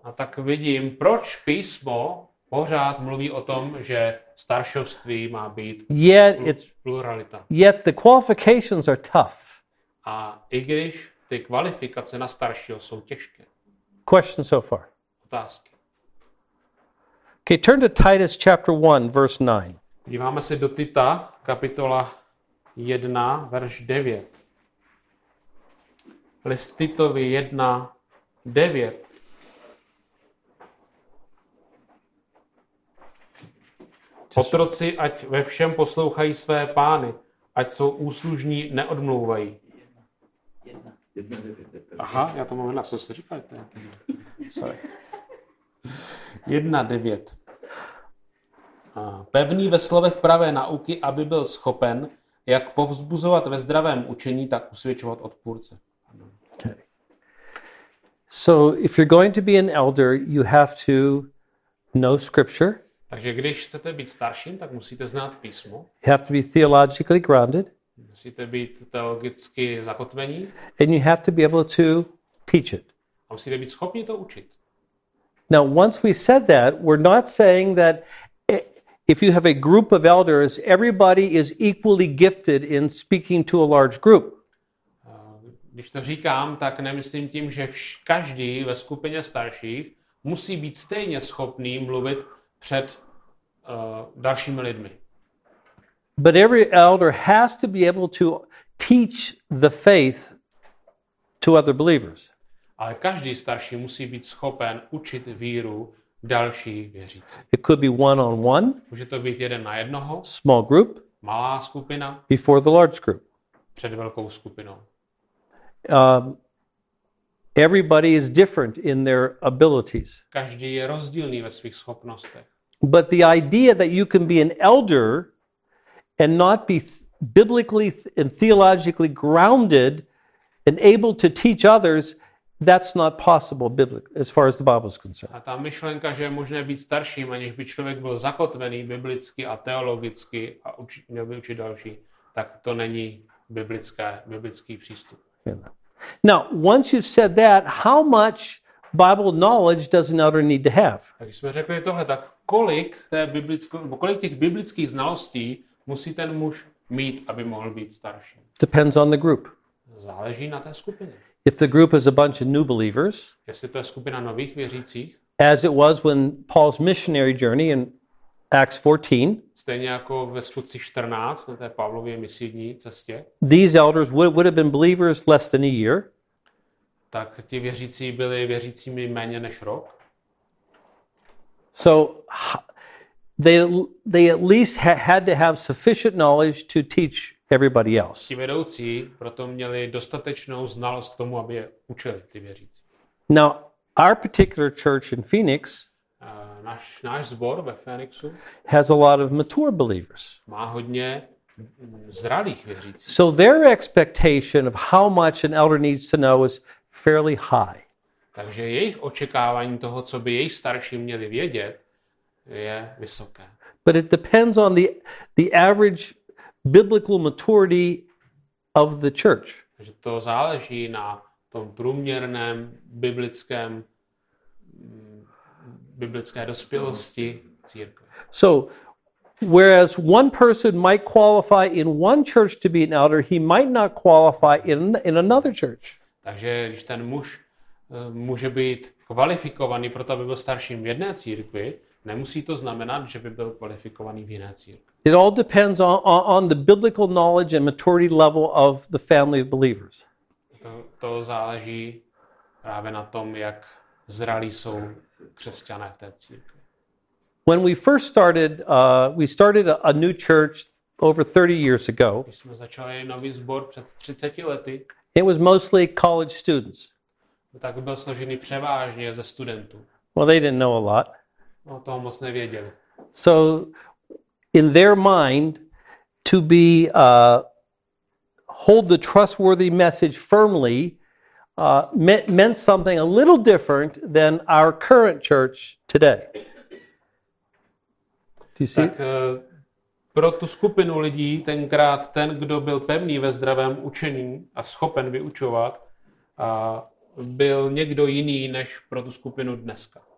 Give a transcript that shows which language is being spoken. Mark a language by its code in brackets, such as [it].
[cs] A tak vidím, proč písmo pořád mluví o tom, že staršovství má být pluralita. [en] Yet the qualifications are tough. [cs] A i když ty kvalifikace na staršího jsou těžké. [en] Question so far. [cs] Otázky. [en] Okay, turn to Titus chapter 1, verse 9. [cs] Díváme se do Tita, kapitola 1, verš 9. List Titovi 1, 9. Otroci, ať ve všem poslouchají své pány, ať jsou úslužní, neodmlouvají. Aha, já to mám na co se říkáte. Sorry. 1, 9. Pevný ve slovech pravé nauky, aby byl schopen jak povzbuzovat ve zdravém učení, tak usvědčovat odpůrce. [en] So if you're going to be an elder, you have to know scripture. [cs] Takže když chcete být starším, tak musíte znát písmo. [en] You have to be theologically grounded. [cs] Musíte být teologicky zakotvení. [en] And you have to be able to teach it. [cs] A musíte být schopni to učit. [en] Now, once we said that, we're not saying that if you have a group of elders, everybody is equally gifted in speaking to a large group. [cs] Když to říkám, tak nemyslím tím, že každý ve skupině starších musí být stejně schopný mluvit před dalšími lidmi. [en] But every elder has to be able to teach the faith to other believers. [cs] Ale každý starší musí být schopen učit víru další věřící. [en] It could be one on one. [cs] Může to být jeden na jednoho. [en] Small group. [cs] Malá skupina. [en] Before the large group. [cs] Před velkou skupinou. [en] Everybody is different in their abilities. [cs] Každý je rozdílný ve svých schopnostech. [en] But the idea that you can be an elder and not be biblically and theologically grounded and able to teach others, that's not possible biblically, as far as the Bible is concerned. [cs] A ta myšlenka, že je možné být starším, aniž by člověk byl zakotvený biblicky a teologicky a měl by učit další, tak to není biblický přístup. [en] Now, once you've said that, how much Bible knowledge does an elder need to have? [cs] Když jsme řekli tohle, tak kolik té kolik těch biblických znalostí musí ten muž mít, aby mohl být starší? [en] Depends on the group. [cs] Záleží na té skupině. [en] If the group is a bunch of new believers, [cs] jestli to je skupina nových věřících, [en] as it was when Paul's missionary journey in Acts 14, [cs] stejně jako ve Skutci 14 na té Pavlově misijní cestě, [en] these elders would have been believers less than a year. [cs] Tak ti věřící byli věřícími méně než rok. [en] So they at least had to have sufficient knowledge to teach everybody else. [cs] Ti vedoucí proto měli dostatečnou znalost tomu, aby je učili ty věřící. [en] Now our particular church in Phoenix, [cs] náš sbor ve Phoenixu, [en] has a lot of mature believers. [cs] Má hodně zralých věřících. [en] So their expectation of how much an elder needs to know is fairly high. [cs] Takže jejich očekávání toho, co by jejich starší měli vědět, je vysoké. [en] But it depends on the average biblical maturity of the church. [cs] Takže to záleží na tom průměrném biblické dospělosti církve. [en] So whereas one person might qualify in one church to be an elder, he might not qualify in another church. [cs] Takže když ten muž může být kvalifikovaný pro to, aby byl starším v jedné církvi, nemusí to znamenat, že by byl kvalifikovaný v jiné církvi. [en] It all depends on the biblical knowledge and maturity level of the family of believers. [cs] To záleží právě na tom, jak zralí jsou křesťané v té církvi. [en] When we first started, we started a new church over 30 years ago. [cs] Když jsme začali nový sbor před 30 lety. [en] It was mostly college students. [cs] Tak byl složený převážně ze studentů. [en] Well, they didn't know a lot. [cs] No, toho moc nevěděli. [en] So in their mind to be hold the trustworthy message firmly meant something a little different than our current church today. Do you see? [cs] Tak pro tu skupinu lidí tenkrát ten, kdo byl pevný ve zdravém učení a schopen vyučovat, byl někdo jiný než pro tu skupinu dneska.